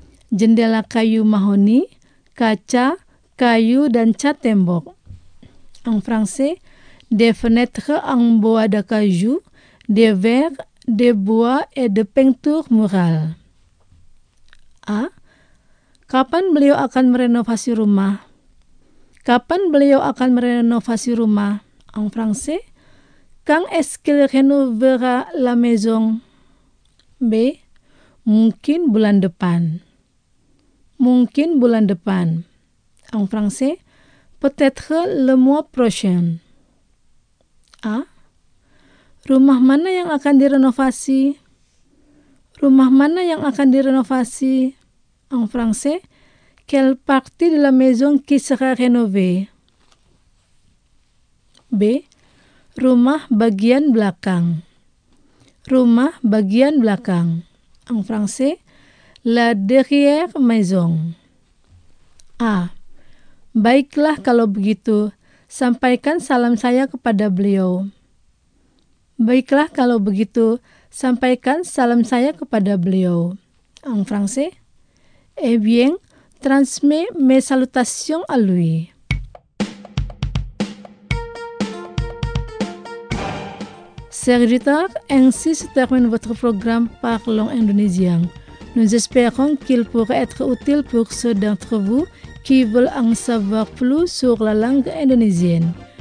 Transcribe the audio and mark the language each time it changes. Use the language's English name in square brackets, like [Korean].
[Indonesian] Jendela kayu mahoni, kaca, kayu, dan cat tembok. [French] En français, des fenêtres en bois de caillou, des verres, des bois et de peinture murale. A. [Indonesian] Kapan beliau akan merenovasi rumah? Kapan beliau akan merenovasi rumah? [French] En français, quand est-ce qu'il rénovera la maison? B. [Indonesian] Mungkin bulan depan. Mungkin bulan depan. [French] En français, peut-être le mois prochain. A. [Indonesian] Rumah mana yang akan direnovasi? Rumah mana yang akan direnovasi? [French] En français, quelle partie de la maison qui sera rénovée? [Indonesian] B. Rumah bagian belakang. Rumah bagian belakang. [French] En français, la derrière maison. A. [Indonesian] Baiklah kalau begitu, sampaikan salam saya kepada beliau. Baiklah kalau begitu, sampaikan salam saya kepada beliau. [French] En français, eh bien, transmet mes salutations à lui. Chers auditeurs, ainsi se termine votre programme Parlons Indonésien. Nous espérons qu'il pourra être utile pour ceux d'entre vous qui veulent en savoir plus sur la langue indonésienne.